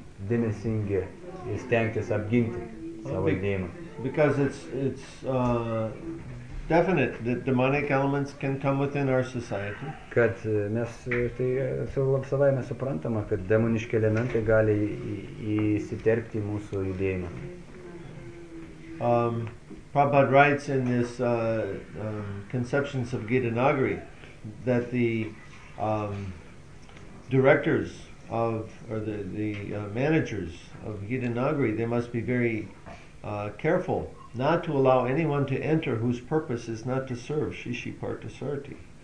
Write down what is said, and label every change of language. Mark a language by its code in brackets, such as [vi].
[lt] dėmesingi stengtis apginti savo dėmą. [en] Because it's definite that demonic elements can come within our society. [lt] Kad mes tai savaime suprantama, kad demoniški elementai gali įsiterpti į mūsų judėjimą. [en] Prabhupada writes in this Conceptions of Gita Nagari that the directors of or the managers of Gita Nagari, they must be very careful not to allow anyone to enter whose purpose is not to serve Shishi Partha Sarati.